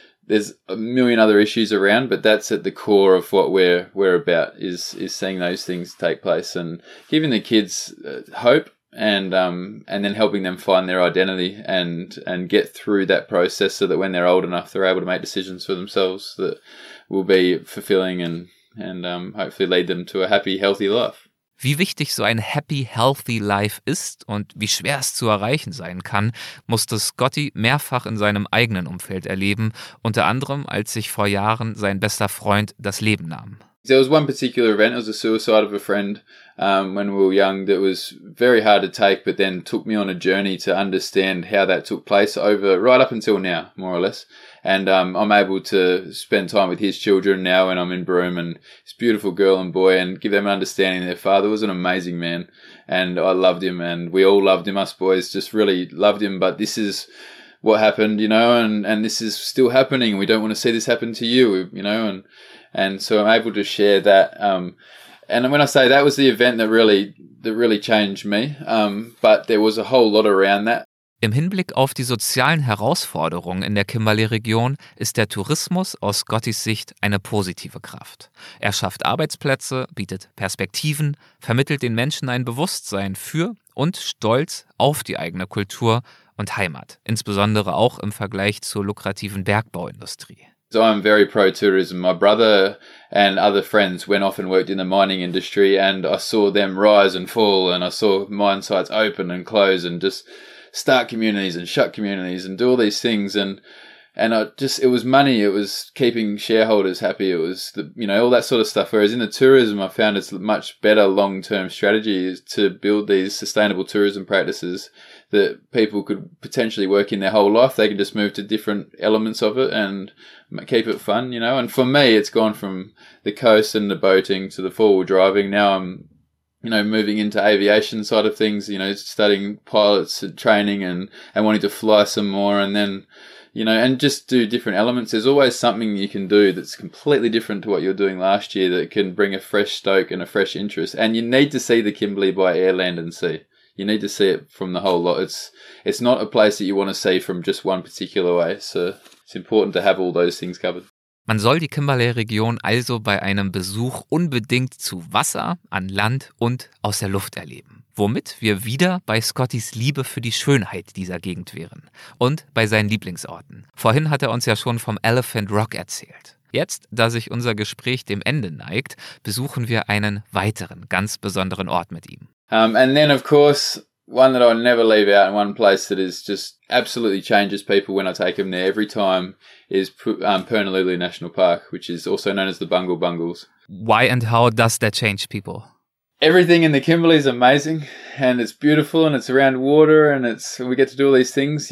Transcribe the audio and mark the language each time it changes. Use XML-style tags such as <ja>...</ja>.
<en>There's a million other issues around, but that's at the core of what we're about, is seeing those things take place and giving the kids hope and then helping them find their identity and get through that process so that when they're old enough, they're able to make decisions for themselves that will be fulfilling and hopefully lead them to a happy, healthy life.</en> <de>Wie wichtig so ein</de> <en>happy, healthy life</en> <de>ist und wie schwer es zu erreichen sein kann, musste Scotty mehrfach in seinem eigenen Umfeld erleben, unter anderem, als sich vor Jahren sein bester Freund das Leben nahm.</de> <en>There was one particular event, it was a suicide of a friend when we were young, that was very hard to take, but then took me on a journey to understand how that took place over right up until now, more or less. And I'm able to spend time with his children now when I'm in Broome, and his beautiful girl and boy, and give them an understanding. Their father was an amazing man, and I loved him, and we all loved him, us boys just really loved him. But this is what happened, you know, and this is still happening. We don't want to see this happen to you, you know. And so I'm able to share that. And when I say that was the event that really changed me, but there was a whole lot around that.</en> <de>Im Hinblick auf die sozialen Herausforderungen in der Kimberley-Region ist der Tourismus aus Scottys Sicht eine positive Kraft. Er schafft Arbeitsplätze, bietet Perspektiven, vermittelt den Menschen ein Bewusstsein für und Stolz auf die eigene Kultur und Heimat, insbesondere auch im Vergleich zur lukrativen Bergbauindustrie.</de> <en>So I'm very pro-tourism. My brother and other friends went off and worked in the mining industry, and I saw them rise and fall, and I saw mine sites open and close and just start communities and shut communities and do all these things. And it was money. It was keeping shareholders happy. It was, you know, all that sort of stuff. Whereas in the tourism, I found it's much better long-term strategy to build these sustainable tourism practices that people could potentially work in their whole life. They can just move to different elements of it and keep it fun, you know. And for me, it's gone from the coast and the boating to the four-wheel driving. Now I'm, you know, moving into aviation side of things, you know, studying pilots and training and wanting to fly some more and then, you know, and just do different elements. There's always something you can do that's completely different to what you're doing last year that can bring a fresh stoke and a fresh interest. And you need to see the Kimberley by air, land and sea. you need to see it from the whole lot. It's not a place that you want to see from just one particular way. So it's important to have all those things covered.</en> <de>Man soll die Kimberley-Region also bei einem Besuch unbedingt zu Wasser, an Land und aus der Luft erleben. Womit wir wieder bei Scottys Liebe für die Schönheit dieser Gegend wären. Und bei seinen Lieblingsorten. Vorhin hat er uns ja schon vom Elephant Rock erzählt. Jetzt, da sich unser Gespräch dem Ende neigt, besuchen wir einen weiteren, ganz besonderen Ort mit ihm.</de> <en>And then of course, one that I'll never leave out and one place that is just absolutely changes people when I take them there every time is Pernalulu National Park, which is also known as the Bungle Bungles. Why and how does that change people? Everything in the Kimberley is amazing and it's beautiful and it's around water and it's, we get to do all these things.</en>